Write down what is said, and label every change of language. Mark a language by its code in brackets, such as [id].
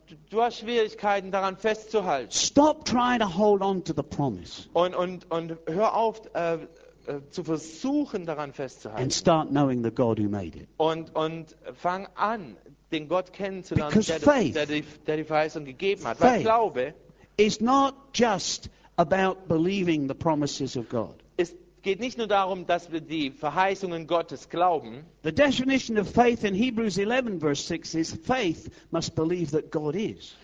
[de] Du hast Schwierigkeiten, daran festzuhalten. [en] Stop trying to hold on to the promise. [de] Und hör auf, zu versuchen, daran festzuhalten. [en] And start knowing the God who made it. [de] Und fang an, den Gott kennenzulernen, der die Verheißung gegeben hat. Weil Glaube [en] is not just about believing the promises of God. [de] Es geht nicht nur darum, dass wir die Verheißungen Gottes glauben. [en] The definition of faith in Hebrews 11 verse 6 is faith must believe that God is.